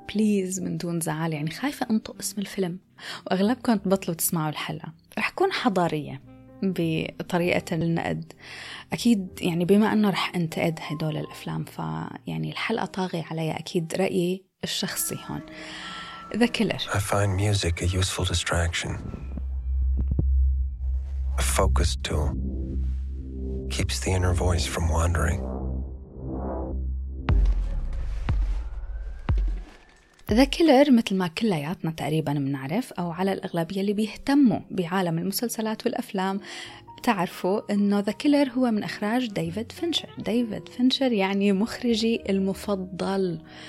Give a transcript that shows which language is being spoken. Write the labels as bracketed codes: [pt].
[ar] بليز من دون زعل، يعني خايفة أنطق اسم الفيلم وأغلبكم تبطلوا تسمعوا الحلقة. رح كون حضارية بطريقة النقد أكيد، يعني بما أنه رح أنتقد هدول الأفلام فيعني الحلقة طاغي علي أكيد رأيي الشخصي هون. [en] The Killer. I find music a useful distraction. A focus tool. Keeps the inner voice from wandering. [ar] ذا كيلر مثل ما كلياتنا تقريبا منعرف، أو على الأغلب يلي بيهتموا بعالم المسلسلات والأفلام تعرفوا إنه ذا كيلر هو من إخراج ديفيد فينشر. ديفيد فينشر يعني مخرجي المفضل.